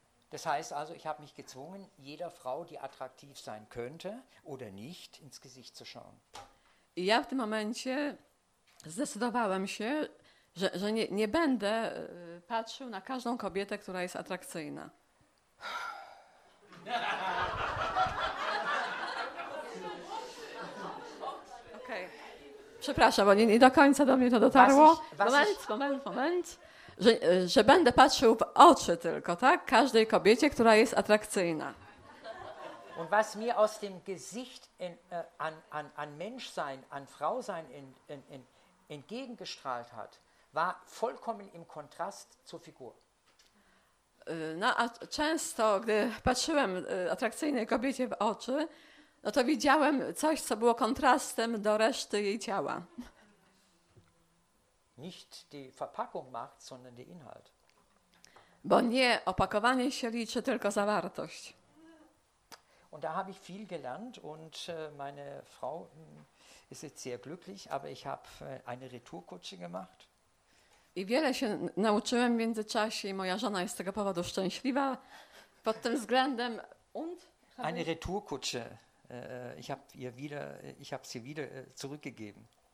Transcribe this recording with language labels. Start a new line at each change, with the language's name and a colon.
German: Das heißt also, ich habe mich gezwungen, jeder Frau, die attraktiv sein könnte oder nicht, ins Gesicht zu schauen.
Polish: I ja w tym momencie zdecydowałem się, że nie będę patrzył na każdą kobietę, która jest atrakcyjna. Okay. Przepraszam, bo nie do końca do mnie to dotarło. Moment. Że będę patrzył w oczy tylko, tak? Każdej kobiecie, która jest atrakcyjna.
German: Und was mir aus dem Gesicht an Menschsein, an Frausein entgegengestrahlt hat, war vollkommen im Kontrast zur Figur.
Polish: No, a często, gdy patrzyłem atrakcyjnej kobiecie w oczy, no to widziałem coś, co było kontrastem do reszty jej ciała.
German: Nicht die Verpackung macht, sondern der Inhalt.
Polish: Bo nie opakowanie się liczy, tylko zawartość.
German: Und da habe ich viel gelernt und meine Frau ist jetzt sehr glücklich, aber ich habe eine Retourkutsche gemacht.
Polish: I wiele się nauczyłem w międzyczasie i moja żona jest z tego powodu szczęśliwa pod tym względem.
German: Und eine Retourkutsche. Ich habe sie wieder zurückgegeben.